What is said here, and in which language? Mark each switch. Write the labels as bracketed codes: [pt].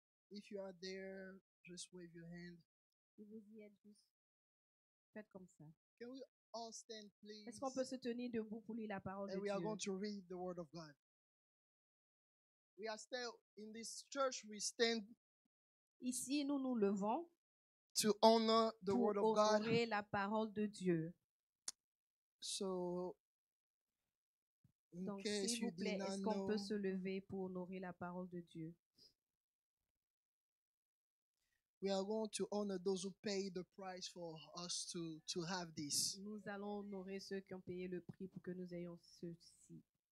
[en] If you are there, just wave your hand. [fr] Si vous y êtes, juste faites comme ça. [en] Can we all stand, please? [fr] Est-ce qu'on peut se tenir debout pour lire la parole [en] and [fr] de Dieu? [en] And we are going to read the word of God. We are still in this church, we stand. [fr] Ici, nous nous levons. [en] To honor the word of God. [fr] Pour honorer la parole de Dieu. [en] So, [fr] donc, s'il vous plaît, est-ce qu'on peut se lever pour honorer la parole de Dieu? [en] We are going to honor those who pay the price for us to have this. [fr] Nous allons honorer ceux qui ont payé le prix pour que nous ayons ceci.